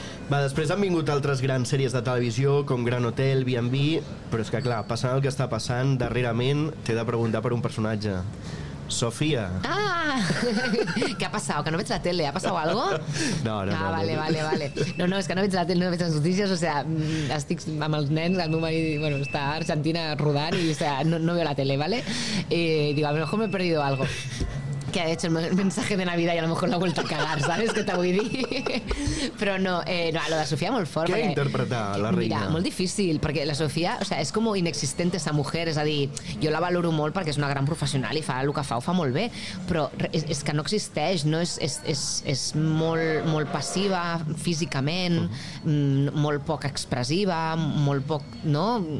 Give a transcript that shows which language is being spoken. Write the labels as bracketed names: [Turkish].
[Catalan] Va, després han vingut altres grans sèries de televisió com Gran Hotel, B&B, però és que clar, passant el que està passant, darrerament t'he de preguntar per un personatge. Sofia. Ah! Què ha passat? Que no veig la tele? Ha passat algo? No. Vale. No, és que no veig la tele, no veig les notícies, o sea, estic amb els nens, el meu marit, bueno, està a Argentina rodant, i, o sea, [Spanish] no veo la tele, ¿vale? Y digo, a lo mejor me he perdido algo. Que ha hecho el mensaje de Navidad y a lo mejor la he vuelto a cagar, ¿sabes? Que te voy a decir. Pero no, lo de Sofía [Catalan] molt fort. [Spanish] ¿Qué ha interpretado la reina? [Catalan] Mira, molt difícil, perquè la Sofía, o sea, és com [Spanish] inexistente esa mujer, [Catalan] és a dir, jo la valoro molt perquè és una gran professional i fa el que fa, ho fa molt bé, però és que no existeix, no? És molt, molt passiva físicament, molt poc expressiva, molt poc, no?